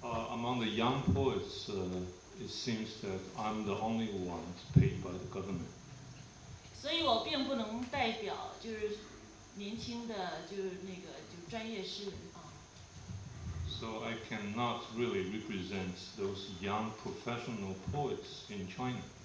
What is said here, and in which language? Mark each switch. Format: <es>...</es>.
<en>among the young poets, it seems that I'm the only one paid by the government.</en> <zh>年轻的就是那个就专业诗人啊。</zh> <en>So I cannot really represent those young professional poets in China.</en>